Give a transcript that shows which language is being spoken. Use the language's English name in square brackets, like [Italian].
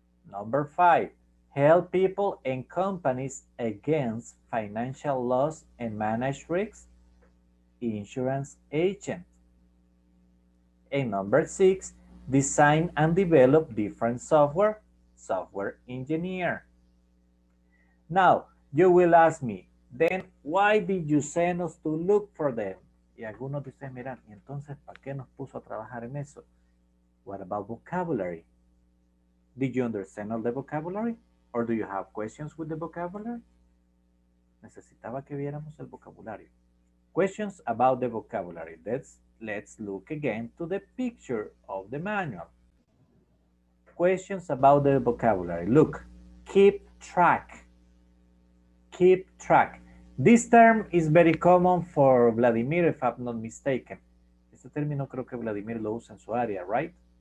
[English] Number five, help people and companies against financial loss and manage risks, insurance agent. And number six, design and develop different software, software engineer. Now, you will ask me, then why did you send us to look for them? [Spanish] Y algunos dicen, mira, ¿y entonces para qué nos puso a trabajar en eso? [English] What about vocabulary? Did you understand all the vocabulary? Or do you have questions with the vocabulary? [Spanish] Necesitaba que viéramos el vocabulario. [English] Questions about the vocabulary. Let's look again to the picture of the manual. Questions about the vocabulary. Look, keep track. Keep track. This term is very common for Vladimir, if I'm not mistaken. [Spanish] Este término creo que Vladimir lo usa en su área, right?